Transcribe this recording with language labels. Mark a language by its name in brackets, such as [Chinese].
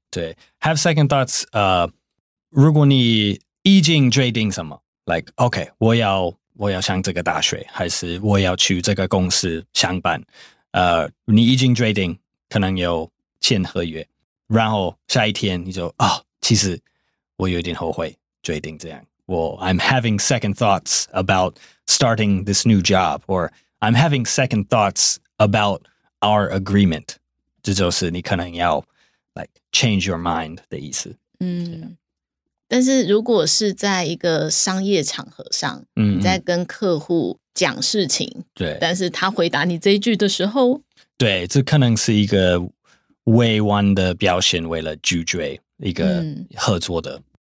[Chinese] 对 ， [English] have second thoughts. [Chinese] 如果你已经决定什么 ， [English] like okay, [Chinese] 我要上这个大学，还是我要去这个公司上班？你已经决定，可能有签合约。然后下一天你就啊、哦，其实我有点后悔决定这样。 [English] I'm having second thoughts about starting this new job, or I'm having second thoughts about our agreement. [Chinese] 这就是你可能要 [English] like change your mind [Chinese] 的意思。嗯，但是如果是在一个商业场合上，嗯，你在跟客户讲事情，对，但是他回答你这一句的时候，对，这可能是一个。委婉的表现为了拒绝一个合作的、嗯、